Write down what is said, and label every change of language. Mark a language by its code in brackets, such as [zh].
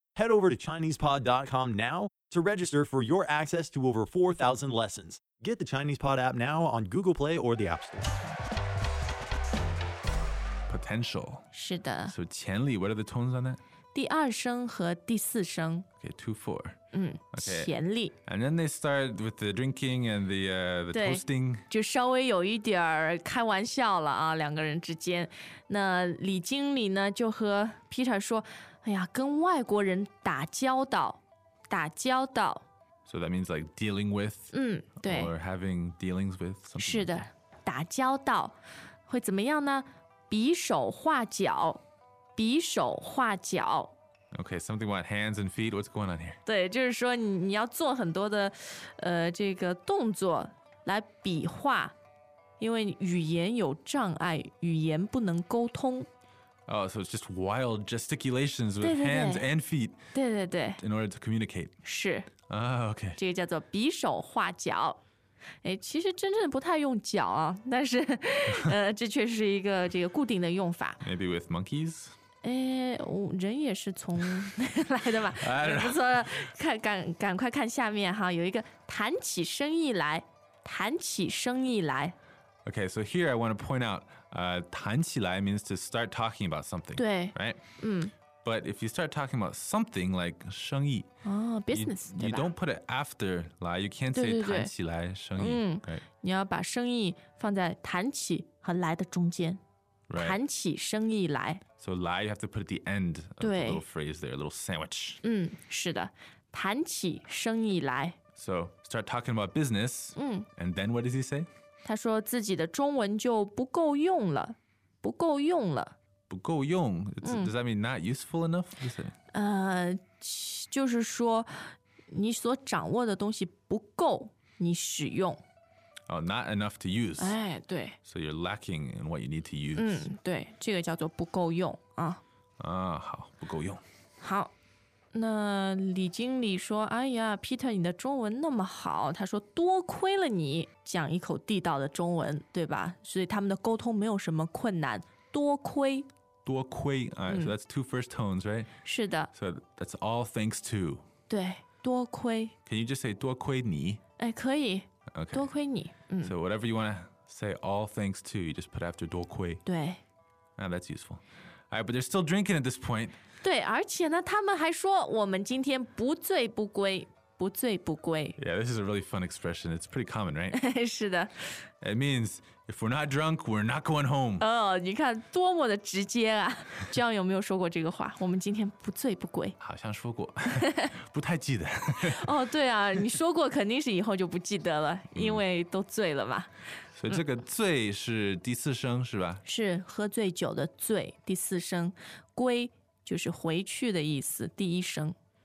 [en] Head over to ChinesePod.com now. To register for your access to over 4,000 lessons, get the Chinese Pod app now on Google Play or the App Store. Potential. [zh] 是的。 [en] So, 潜力, what are the tones on that? [zh] 第二声和第四声。 [en] Okay, 2, 4. [zh] 潜力。 [en] And then they start with the drinking and the toasting. [zh] 就稍微有一点儿开玩笑了啊，两个人之间。那李经理呢，就和 Peter 说，哎呀，跟外国人打交道。打交道 [en] So that means like dealing with [zh] 对 [en] Or having dealings with something [zh] 是的打交道会怎么样呢比手画脚比手画脚 [en] Okay, something about hands and feet What's going on here? [zh] 对就是说 你要做很多的这个动作来比划因为语言有障碍语言不能沟通 [en] Oh, so it's just wild gesticulations with hands and feet [zh] 对对对 [en] in order to communicate. [zh] 是。 [en] Oh, okay. [zh] 这个叫做比手画脚。诶,其实真正不太用脚啊,但是这确实是一个这个固定的用法。 Maybe with monkeys? 诶,人也是从来的吧。不错,赶快看下面哈,有一个谈起生意来,谈起生意来。 [en] Okay, so here I want to point out, 谈起来 means to start talking about something, [zh] 对 [en] right? But if you start talking about something like 生意 business, you don't put it after 来, you can't [zh] 对对对 [en] say [zh] 谈起来生意 [en] right? [zh] 你要把生意放在谈起和来的中间 [en] right. [zh] 谈起生意来 [en] So 来 you have to put at the end of the little phrase there, a little sandwich [zh] 是的谈起生意来 [en] So start talking about business, and then what does he say? [zh] 他说自己的中文就不够用了，不够用了。 [en] 不够用 ？Does that mean not useful enough? [zh] 就是说你所掌握的东西不够你使用。 [en] Oh, not enough to use. [zh] 哎，对。 [en] So you're lacking in what you need to use. [zh] 对，这个叫做不够用啊。啊，好，不够用。好，那李经理说：“哎呀 ，Peter， 你的中文那么好。” 他说：“多亏了你。” 讲一口地道的中文对吧所以他们的沟通没有什么困难多亏 [en] 多亏、so that's two first tones right [zh] 是的 [en] so that's all thanks to [zh] 对多亏 [en] can you just say [zh] 多亏你哎可以、 [en] okay. [zh] 多亏你、 [en] so whatever you want to say all thanks to you just put after 多亏 [zh] 对 [en] that's useful all right but they're still drinking at this point [zh] 对而且呢他们还说我们今天不醉不归不醉不归 [en] Yeah, this is a really fun expression. It's pretty common, right? [zh] 是的 [en] It means, if we're not drunk, we're not going home. [zh] 你看多么的直接啊 John 有没有说过这个话我们今天不醉不归好像说过不太记得对啊你说过肯定是以后就不记得了因为都醉了嘛所以这个醉是第四声是吧是喝醉酒的醉第四声归就是回去的意思第一声